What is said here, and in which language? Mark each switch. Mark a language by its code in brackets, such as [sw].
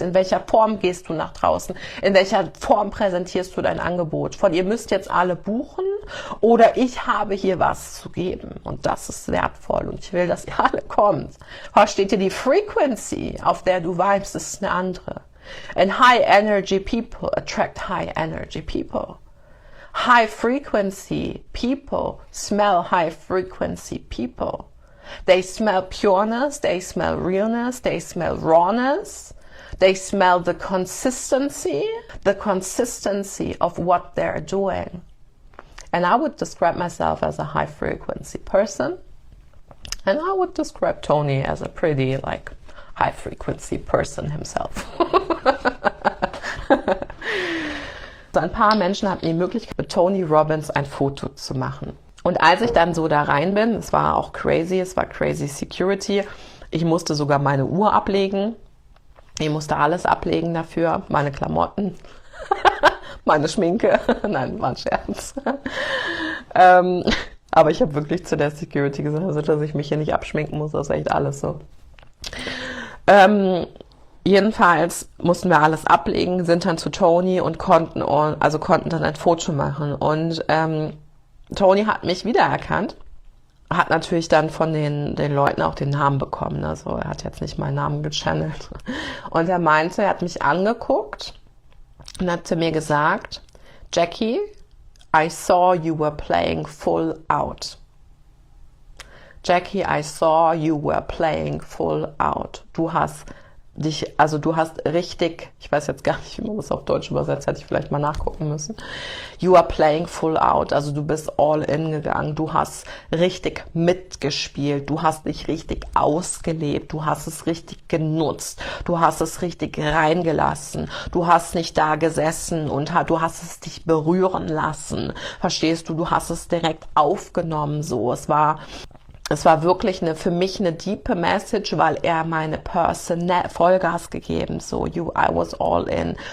[de] In welcher Form gehst du nach draußen? In welcher Form präsentierst du dein Angebot? Von ihr müsst jetzt alle buchen oder ich habe hier was zu geben und das ist wertvoll und ich will, dass ihr alle kommt. Versteht ihr, die Frequency, auf der du vibest, ist eine andere. [en] And high energy people attract high energy people. High frequency people smell high frequency people. They smell pureness, they smell realness, they smell rawness. They smell the consistency of what they're doing. And I would describe myself as a high frequency person. And I would describe Tony as a pretty like high frequency person himself. [de] So ein paar Menschen hatten die Möglichkeit, mit Tony Robbins ein Foto zu machen. Und als ich dann so da rein bin, es war crazy Security, ich musste sogar meine Uhr ablegen. Ich musste alles ablegen dafür, meine Klamotten, meine Schminke. Nein, war ein Scherz. Aber ich habe wirklich zu der Security gesagt, dass ich mich hier nicht abschminken muss, das ist echt alles so. Jedenfalls mussten wir alles ablegen, sind dann zu Tony und konnten dann ein Foto machen. Und Tony hat mich wiedererkannt, hat natürlich dann von den Leuten auch den Namen bekommen. Also er hat jetzt nicht meinen Namen gechannelt. Und er meinte, er hat mich angeguckt und hat zu mir gesagt, [en] Jackie, I saw you were playing full out. Jackie, I saw you were playing full out. [de] Du hast richtig, ich weiß jetzt gar nicht, wie man das auf Deutsch übersetzt, hätte ich vielleicht mal nachgucken müssen. [en] You are playing full out, [de] also du bist all in gegangen, du hast richtig mitgespielt, du hast dich richtig ausgelebt, du hast es richtig genutzt, du hast es richtig reingelassen, du hast nicht da gesessen und du hast es dich berühren lassen, verstehst du, du hast es direkt aufgenommen, so, es war wirklich für mich eine tiefe Message, weil er meine Person Vollgas gegeben, [en] so you, I was all in.